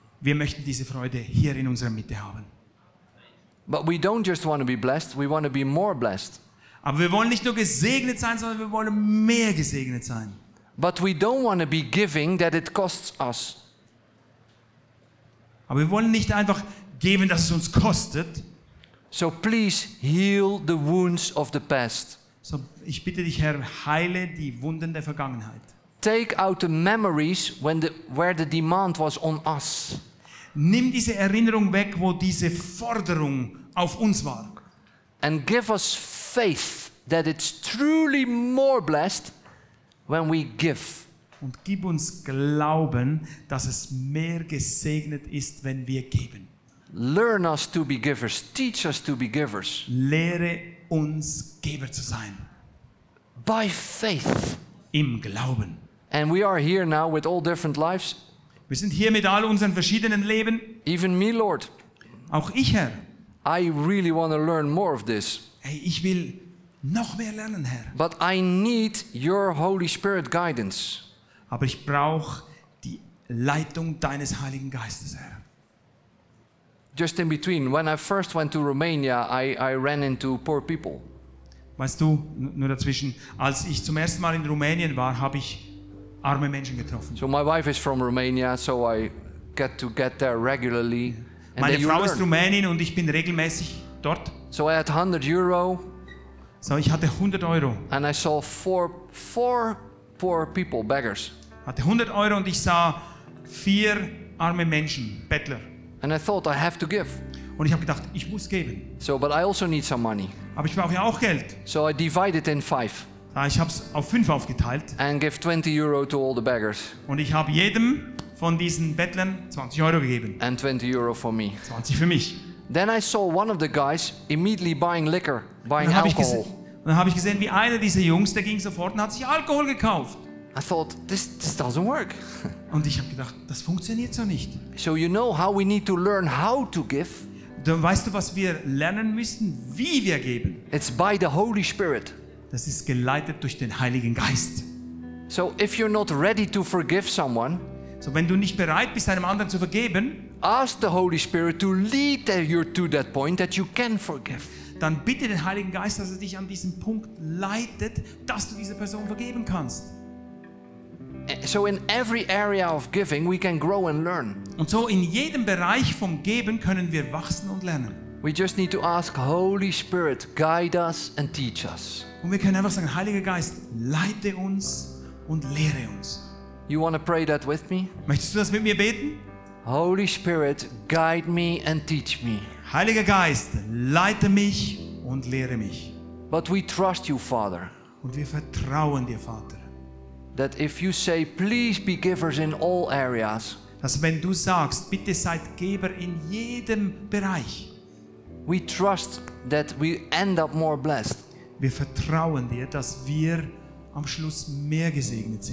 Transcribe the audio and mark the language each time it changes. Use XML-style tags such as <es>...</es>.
<de>Wir möchten diese Freude hier in unserer Mitte haben.</de> <en>But we don't just want to be blessed, we want to be more blessed.</en> <de>Aber wir wollen nicht nur gesegnet sein, sondern wir wollen mehr gesegnet sein.</de> <en>But we don't want to be giving that it costs us.</en> <de>Aber wir wollen nicht einfach geben, dass es uns kostet.</de> <en>So please heal the wounds of the past.</en> <de>So ich bitte dich, Herr, heile die Wunden der Vergangenheit.</de> <en>Take out the memories when where the demand was on us.</en> <de>Nimm diese Erinnerung weg, wo diese Forderung auf uns war.</de> <en>And give us faith that it's truly more blessed when we give.</en> <de>Und gib uns Glauben, dass es mehr gesegnet ist, wenn wir geben.</de> <en>Learn us to be givers. Teach us to be givers.</en> <de>Lehre uns, Geber zu sein.</de> <en>By faith.</en> <de>Im Glauben.</de> <en>And we are here now with all different lives.</en> <de>Wir sind hier mit all unseren verschiedenen Leben.</de> <en>Even me, Lord.</en> <de>Auch ich, Herr.</de> <en>I really want to learn more of this.</en> <de>Hey, ich will noch mehr lernen, Herr.</de> <en>But I need your Holy Spirit guidance.</en> <de>Aber ich brauche die Leitung deines Heiligen Geistes, Herr.</de> <en>Just in between, when I first went to Romania, I ran into poor people.</en> <de>Weißt du, nur dazwischen, als ich zum ersten Mal in Rumänien war, habe ich arme Menschen getroffen.</de> <en>So my wife is from Romania, so I get to get there regularly. Yeah.</en> <de>Meine Frau ist Rumänin und ich bin regelmäßig dort.</de> <en>So I had 100 Euro.</en> <de>So ich hatte 100 Euro.</de> <en>And I saw four poor people, beggars.</en> <de>Hatte 100 Euro und ich sah vier arme Menschen, Bettler.</de> <en>And I thought I have to give.</en> <de>Und ich habe gedacht, ich muss geben.</de> <en>So, but I also need some money.</en> <de>Aber ich brauche ja auch Geld.</de> <en>So I divided in five.</en> <de>Ja, ich habe es auf fünf aufgeteilt.</de> <en>And give 20 Euro to all the beggars.</en> <de>Und ich habe jedem von diesen Bettlern 20 Euro gegeben.</de> <en>And 20 Euro for me.</en> <de>20 für mich.</de> <en>Then I saw one of the guys immediately buying liquor, buying alcohol.</en> <de>dann habe ich gesehen, wie einer dieser Jungs, der ging sofort und hat sich Alkohol gekauft.</de> <en>I thought, this doesn't work.</en> <de>Und ich habe gedacht, das funktioniert so nicht.</de> <en>So you know how we need to learn how to give.</en> <de>Dann weißt du, was wir lernen müssen, wie wir geben.</de> <en>It's by the Holy Spirit.</en> <de>Das ist geleitet durch den Heiligen Geist.</de> <en>So if you're not ready to forgive someone,</en> <de>so wenn du nicht bereit bist, einem anderen zu vergeben,</de> <en>ask the Holy Spirit to lead you to that point that you can forgive.</en> <de>Dann bitte den Heiligen Geist, dass er dich an diesem Punkt leitet, dass du dieser Person vergeben kannst.</de> <en>So in every area of giving we can grow and learn.</en> <de>Und so in jedem Bereich vom Geben können wir wachsen und lernen.</de> <en>We just need to ask Holy Spirit guide us and teach us.</en> <de>Und wir können einfach sagen, Heiliger Geist, leite uns und lehre uns.</de> <en>You want to pray that with me?</en> <de>Möchtest du das mit mir beten?</de> <en>Holy Spirit, guide me and teach me.</en> <de>Heiliger Geist, leite mich und lehre mich.</de> <en>But we trust you, Father.</en> <de>Und wir vertrauen dir, Vater.</de> <en>That if you say, please be givers in all areas.</en> <de>Dass wenn du sagst, bitte seid Geber in jedem Bereich.</de> <en>We trust that we end up more blessed.</en> <de>Wir vertrauen dir, dass wir am Schluss mehr gesegnet sind.</de>